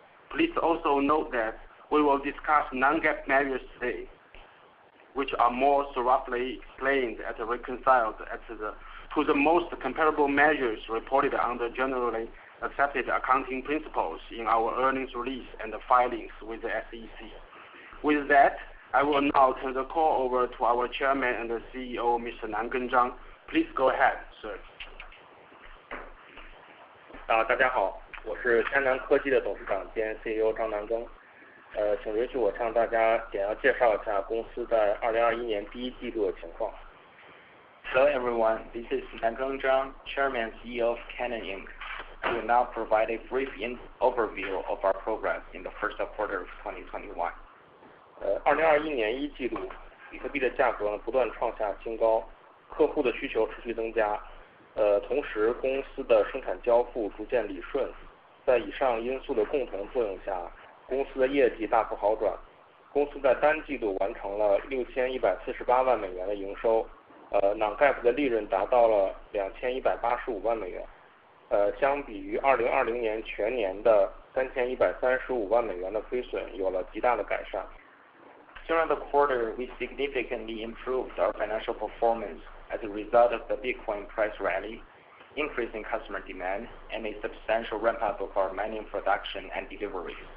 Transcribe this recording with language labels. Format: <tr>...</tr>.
<en>Please also note that we will discuss non-GAAP measures today, which are more thoroughly explained and reconciled to the most comparable measures reported under generally accepted accounting principles in our earnings release and the filings with the SEC. With that, I will now turn the call over to our Chairman and the CEO, Mr. Nan Gengzhang. Please go ahead, sir.</en> <zh>大家好，我是天南科技的董事长兼 CEO 张南宗。请允许我向大家简要介绍一下公司在2021年第一季度的情况。</zh> <en>Hello everyone, this is Nan Gengzhang, Chairman and CEO of Cannae Inc. I will now provide a brief overview of our progress in the first quarter of 2021.</en> <zh>2021年一季度，比特币的价格呢不断创下新高，客户的需求持续增加，同时公司的生产交付逐渐理顺，在以上因素的共同作用下，公司的业绩大幅好转，公司在单季度完成了6148万美元的营收，non-GAAP 的利润达到了2185万美元，相比于2020年全年的3135万美元的亏损，有了极大的改善。</zh> <en>During the quarter, we significantly improved our financial performance as a result of the Bitcoin price rally, increasing customer demand, and a substantial ramp-up of our mining production and deliveries.</en>